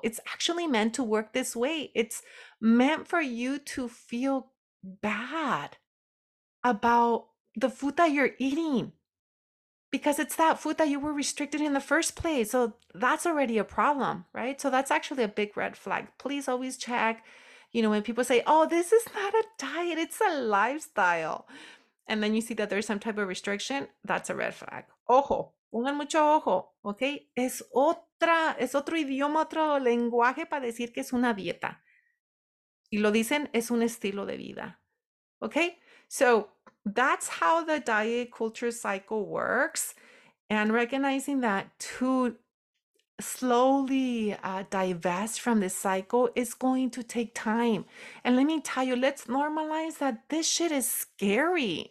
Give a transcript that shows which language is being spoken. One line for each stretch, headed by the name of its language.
English: It's actually meant to work this way. It's meant for you to feel bad about the food that you're eating, because it's that food that you were restricted in the first place. So that's already a problem, right? So that's actually a big red flag. Please always check. You know, when people say, oh, this is not a diet, it's a lifestyle, and then you see that there's some type of restriction, that's a red flag.
Spanish: Ojo, pongan mucho ojo, okay? Es otro idioma, otro lenguaje para decir que es una dieta. Y lo dicen, es un estilo de vida, okay?
English: So that's how the diet culture cycle works. And recognizing that to slowly divest from this cycle is going to take time. And let me tell you, let's normalize that this shit is scary.